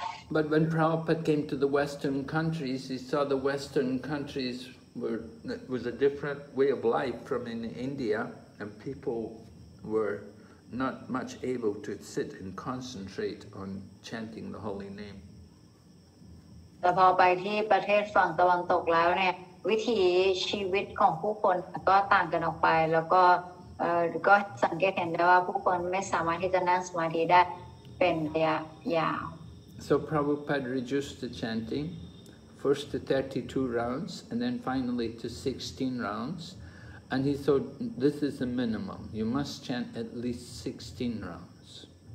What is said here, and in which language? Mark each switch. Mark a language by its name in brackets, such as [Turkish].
[English] But when Prabhupada came to the Western countries, he saw the Western countries was a different way of life from in India, and people were not much able to sit and concentrate on chanting the holy name. [Thai] แต่พอไปที่ประเทศฝั่งตะวันตกแล้วเนี่ยวิถีชีวิตของผู้คนก็ต่างกันออกไปแล้วก็สังเกตเห็นได้ว่าผู้คนไม่สามารถที่จะนั่งสมาธิได้เป็นระยะยาว [English] So Prabhupada reduced the chanting, first to 32 rounds, and then finally to 16 rounds. And he thought, this is the minimum. You must chant at least 16 rounds.